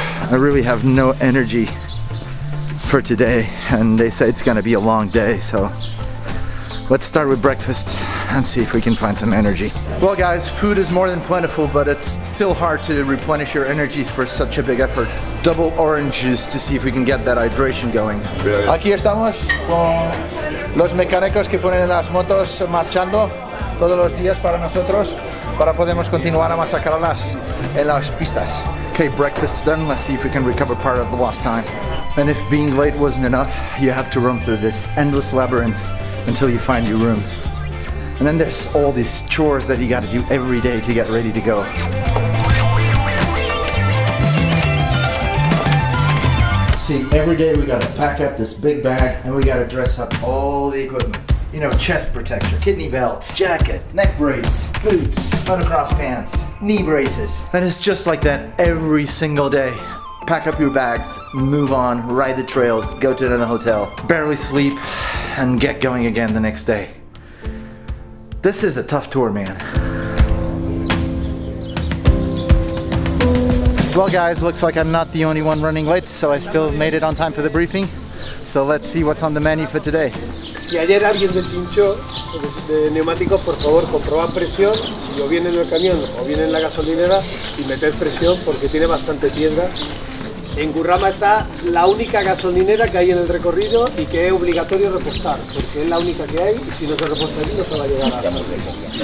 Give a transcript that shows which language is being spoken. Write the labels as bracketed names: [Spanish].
[English] I really have no energy for today, and they say it's going to be a long day, so let's start with breakfast and see if we can find some energy. Well, guys, food is more than plentiful, but it's still hard to replenish your energies for such a big effort. Double orange juice to see if we can get that hydration going. Brilliant. [Spanish] Aquí estamos con los mecánicos que ponen las motos marchando todos los días para nosotros para podemos continuar a masacrarlas en las pistas. [English] Okay, breakfast's done. Let's see if we can recover part of the lost time. And if being late wasn't enough, you have to run through this endless labyrinth until you find your room. And then there's all these chores that you gotta do every day to get ready to go. See, every day we gotta pack up this big bag and we gotta dress up all the equipment. You know, chest protector, kidney belt, jacket, neck brace, boots, motocross pants, knee braces. And it's just like that every single day. Pack up your bags, move on, ride the trails, go to another hotel, barely sleep, and get going again the next day. This is a tough tour, man. Well, guys, looks like I'm not the only one running late, so I still made it on time for the briefing. So let's see what's on the menu for today. [Spanish] Si ayer alguien deshinchó de neumáticos, por favor, comprueba presión, y o bien en el camión o bien en la gasolinera, y meter presión porque tiene bastante piedra. En Gurrama está la única gasolinera que hay en el recorrido y que es obligatorio repostar, porque es la única que hay y si no se reposta allí no se va a llegar a la presa.